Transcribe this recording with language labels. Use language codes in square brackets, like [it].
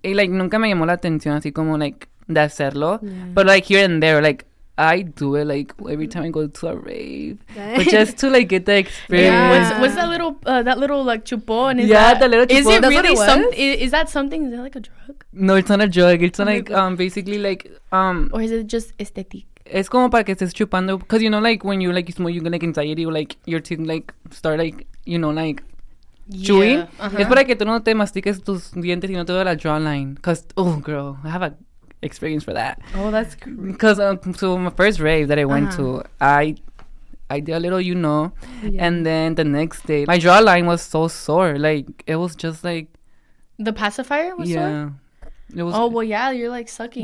[es] Y, like, nunca me llamó la atención así como like de hacerlo. [en] Yeah. But like here and there, like, I do it like every time I go to a rave, but just to like get the experience. Yeah. What's that little like chupon? Is the little chupon. Is it really something? Is that something? Is that like a drug? No, it's not a drug. It's like basically like Or is it just aesthetic? It's [es] como para que estés chupando, [en] because you know like when you like smoke, you get like anxiety, or like your teeth like start like, you know, like chewing. Yeah. [es] Uh-huh. Es para que tú no te mastiques tus dientes y no te duele la jawline. [en] Cause oh girl, I have a experience for that. Oh, that's great. Because so my first rave that I went to, I did a little, you know, and then the next day my jawline was so sore, like it was just like the pacifier was sore. It was, oh well, yeah, you're like sucking,